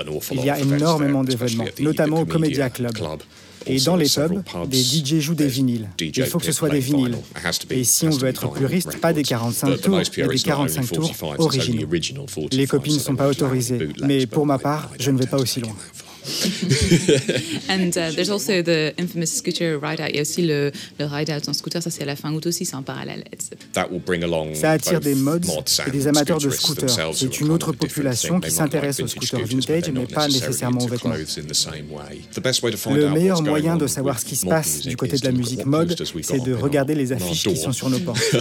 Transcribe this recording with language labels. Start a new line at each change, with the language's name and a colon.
French: Il y a énormément d'événements, notamment au Comedia Club. Et dans les pubs, des DJ jouent des vinyles. Il faut que ce soit des vinyles. Et si on veut être puriste, pas des 45 tours, mais des 45 tours originaux. Les copies ne sont pas autorisées, mais pour ma part, je ne vais pas aussi loin.
English: And there's also the infamous scooter ride out.
French: Il y a aussi le ride out en scooter. Ça c'est à la fin août aussi, c'est en parallèle. Ça attire des mods et des amateurs de scooters. C'est une autre population qui s'intéresse aux scooters vintage, mais pas nécessairement aux vêtements. Le meilleur moyen de savoir ce qui se passe du côté de la musique mode, c'est de regarder les affiches qui sont sur nos portes.